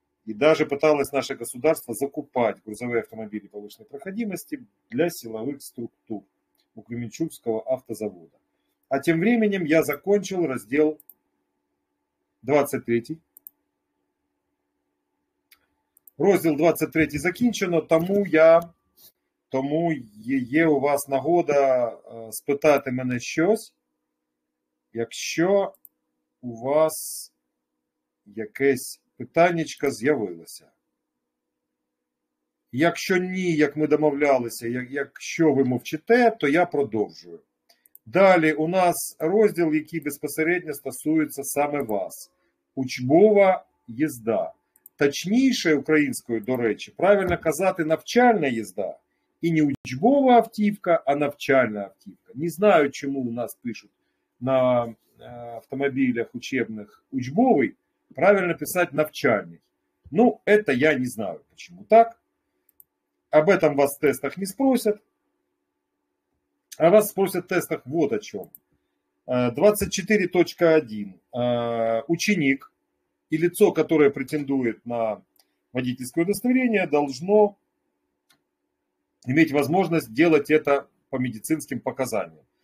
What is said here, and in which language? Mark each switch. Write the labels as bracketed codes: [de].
[ru] И даже пыталось наше государство закупать грузовые автомобили повышенной проходимости для силовых структур у Кременчугского автозавода. А тем временем я закончил раздел 23. [uk] Раздел 23 закінчено, тому є у вас нагода спитати мене щось, якщо у вас якесь питаннячко з'явилося. Якщо ні, як ми домовлялися, якщо ви мовчите, то я продовжую. Далі у нас розділ, який безпосередньо стосується саме вас. Учбова їзда. Точніше, українською, до речі, правильно казати, навчальна їзда. І не учбова автівка, а навчальна автівка. Не знаю, чому у нас пишуть на автомобілях учебних учбовий, правильно писати навчальний. Ну, це я не знаю, чому так. [ru] Об этом вас в тестах не спросять. А вас спросять в тестах вот о чому. 24.1. Ученик и лицо, которое претендует на водительское удостоверение, должно иметь возможность делать это по медицинским показаниям.